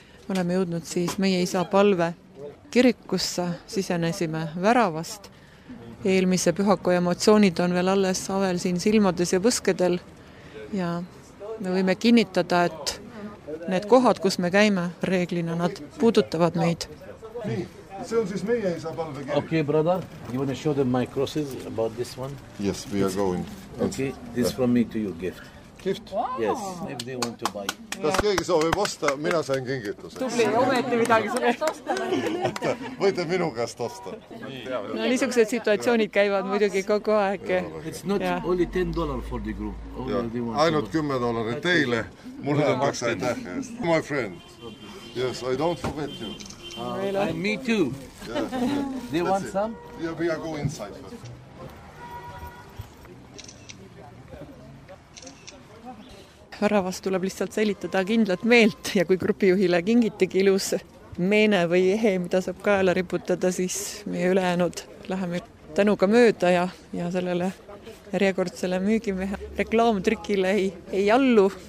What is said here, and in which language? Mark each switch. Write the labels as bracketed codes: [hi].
[et] Oleme jõudnud siis meie isa palve kirikusse, sisenesime väravast. Eelmise pühaku emotsioonid on veel alles avel siin silmades ja võskedel ja me võime kinnitada, et Need kohad, kus me käime, reeglina nad puudutavad meid. Nii, see on siis meie isa palve kirik. [en] Okay, brother, you want to show them my crosses about this one? Yes, we are going. Okay, this from me to you, gift. Gift? Yes, if they want to buy. [et] Kas keegi soovib osta, mina sain kingituse. Tubli, ometi midagi sulle. Võite minu käest osta. No niisugused situatsioonid käivad muidugi kogu aeg. [en] It's not only $10 for the group. [et] Ainult $10 teile. Mulle on maksa aitäh. [en] My friend. Yes, I don't forget you. I'm me too. Do you want some? Yeah, we are going inside first. [et] Väravas tuleb lihtsalt selitada kindlat meelt ja kui gruppijuhile kingitegi ilus meene või ehe, mida saab kaela riputada, siis meie ülejäänud läheme tänuga mööda ja sellele järjekordsele müügimehe reklaamtrikile ei allu.